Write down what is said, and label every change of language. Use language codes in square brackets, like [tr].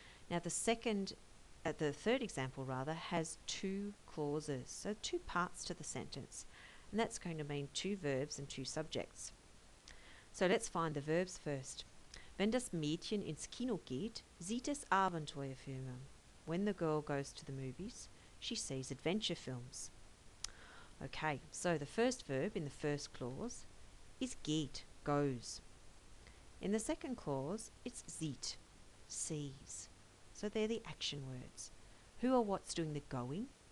[en] Now the third example has two clauses, so two parts to the sentence. And that's going to mean two verbs and two subjects. So let's find the verbs first. [de] Wenn das Mädchen ins Kino geht, sieht es Abenteuerfilme. [en] When the girl goes to the movies, she sees adventure films. Okay, so the first verb in the first clause is geht, goes. In the second clause, it's sieht, sees. So they're the action words. Who or what's doing the going?